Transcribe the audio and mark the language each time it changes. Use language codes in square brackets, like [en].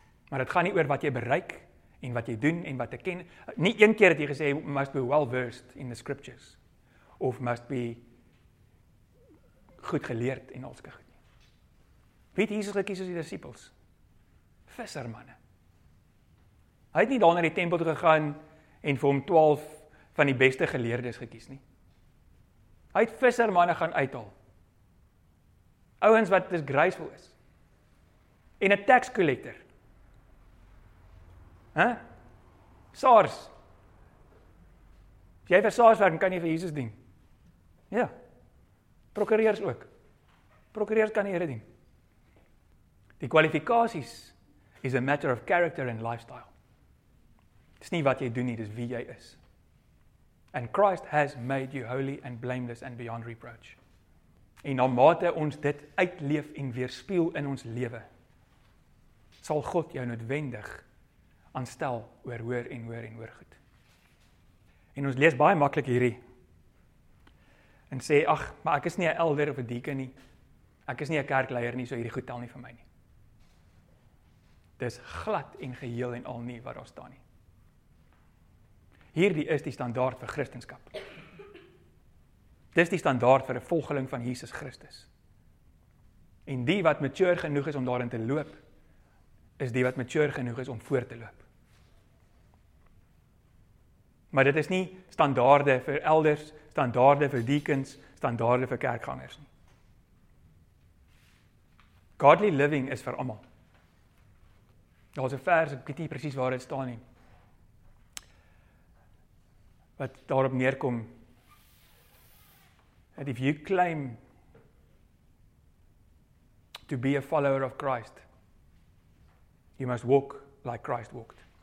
[af] Maar dit gaan nie oor wat jy bereik en wat jy doen en wat jy ken. Nie een keer het jy gesê, [en] must be well-versed in the scriptures. [af] Of [en] must be [af] goed geleerd en alske goed. Wie het Jesus gekies as die disciples? Vissermanne. Hy het nie daar na die tempel toe gegaan en vir hom 12 van die beste geleerdes gekies nie. Hy het vissermanne gaan uithaal. Ouens wat disgraceful is. En 'n tax collector. Hæ? SARS. As jy vir SARS werk, kan jy vir Jesus dien. Ja. Prokureurs ook. Prokureurs kan die Here dien. Die kwalifikasies is [en] a matter of character and lifestyle. [af] Dis nie wat jy doen nie, dis wie jy is. [en] And Christ has made you holy and blameless and beyond reproach. [af] En naarmate ons dit uitleef en weerspieel in ons lewe, sal God jou noodwendig aanstel oor hoër en hoër en hoër goed. En ons lees baie maklik hierdie en sê, ag, maar ek is nie 'n elder of 'n deacon nie. Ek is nie 'n kerkleier nie, so hierdie goed tel nie vir my nie. Dis glad en geheel en al nie wat daar staan nie. Hierdie is die standaard vir Christendom. Dis die standaard vir 'n volgeling van Jesus Christus. En die wat mature genoeg is om daarin te loop, is die wat mature genoeg is om voor te loop. Maar dit is nie standaarde vir elders, standaarde vir deacons, standaarde vir kerkgangers nie. [en] Godly living [af] is vir almal. Daar's 'n vers, ek weet nie presies waar dit staan nie. Wat daarop neerkom, [en] that if you claim to be a follower of Christ, you must walk like Christ walked.